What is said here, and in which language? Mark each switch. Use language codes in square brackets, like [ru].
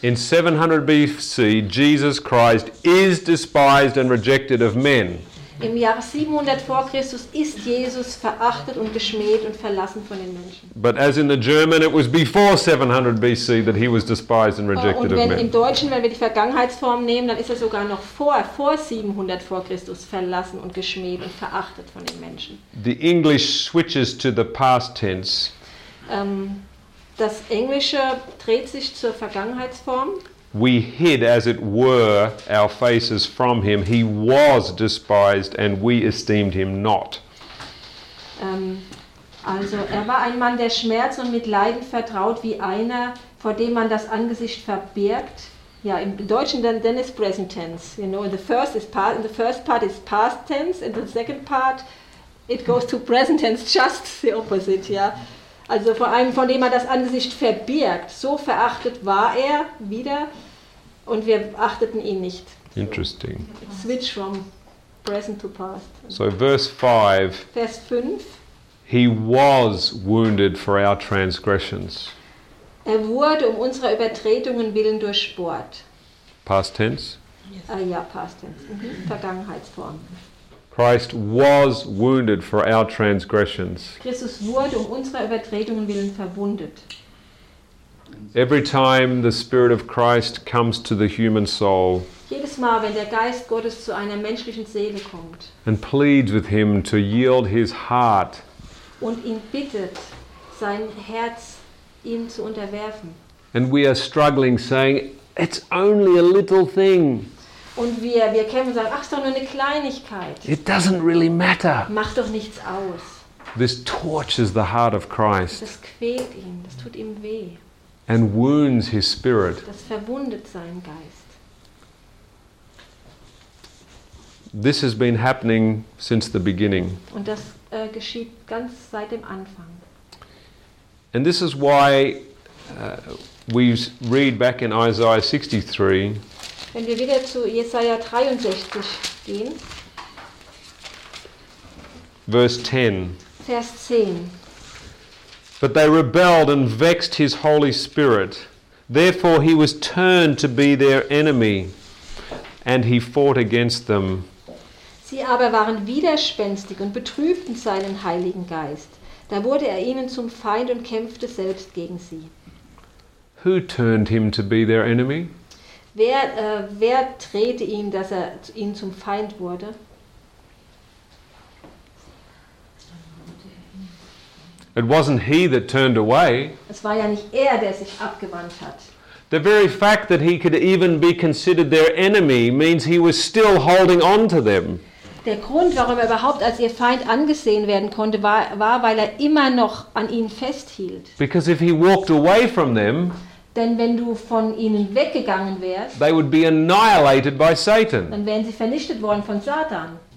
[en] In 700 BC, Jesus Christ is despised and rejected of men. [de] Im Jahre 700 vor Christus ist Jesus verachtet und geschmäht und verlassen von den Menschen. [en] But as in the German, it was before 700 BC that he was despised and rejected of men. [de] Und wenn im Deutschen, wenn wir die Vergangenheitsform nehmen, dann ist er sogar noch vor 700 vor Christus verlassen und geschmäht und verachtet von den Menschen. [en] The English switches to the past tense. [de] Das Englische dreht sich zur Vergangenheitsform. [en] We hid, as it were, our faces from him. He was despised and we esteemed him not. [de] Also, er war ein Mann der Schmerz und mit Leiden vertraut, wie einer, vor dem man das Angesicht verbirgt. Ja, im Deutschen dann Dennis present tense. [en] You know, the first part is past tense, and the second part it goes to present tense, just the opposite, ja. [de] Also vor allem, von dem er das Angesicht verbirgt, so verachtet war er wieder und wir achteten ihn nicht. [en] Interesting. So, switch from present to past. So verse 5. [de] Vers 5. [en] He was wounded for our transgressions. [de] Er wurde um unserer Übertretungen willen durchbohrt. [en] Past tense? [de] Ja, [en] past tense. [de] Mhm. Vergangenheitsform. [en] Christ was wounded for our transgressions. [de] Christus wurde um unserer Übertretungen willen verwundet. [en] Every time the Spirit of Christ comes to the human soul. [de] Jedes Mal, wenn der Geist Gottes zu einer menschlichen Seele kommt. [en] And pleads with him to yield his heart. [de] Und ihn bittet, sein Herz ihm zu unterwerfen. [en] And we are struggling, saying, "It's only a little thing." [de] Und wir kämpfen und sagen, ach, ist doch nur eine Kleinigkeit. [en] It doesn't really matter. [de] Macht doch nichts aus. [en] This tortures the heart of Christ. [de] Das quält ihn, das tut ihm weh. [en] And wounds his spirit. [de] Das verwundet seinen Geist. [en] This has been happening since the beginning. [de] Und das geschieht ganz seit dem Anfang. [en] And this is why we read back in Isaiah 63. [de] Wenn wir wieder zu Jesaja 63 gehen. Vers 10. [en] But they rebelled and vexed his Holy Spirit. Therefore he was turned to be their enemy and he fought against them. [de] Sie aber waren widerspenstig und betrübten seinen Heiligen Geist. Da wurde er ihnen zum Feind und kämpfte selbst gegen sie. [en] Who turned him to be their enemy? [de] Wer drehte ihn, dass er ihn zum Feind wurde? [en] It wasn't he that turned away. [de] Es war ja nicht er, der sich abgewandt hat. [en] The very fact that he could even be considered their enemy means he was still holding on to them. [de] Der Grund, warum er überhaupt als ihr Feind angesehen werden konnte, war weil er immer noch an ihnen festhielt. [en] Because if he walked away from them, [de] denn wenn du von ihnen weggegangen wärst, [en] they would be annihilated by Satan. [de] Dann wären sie vernichtet worden von Satan.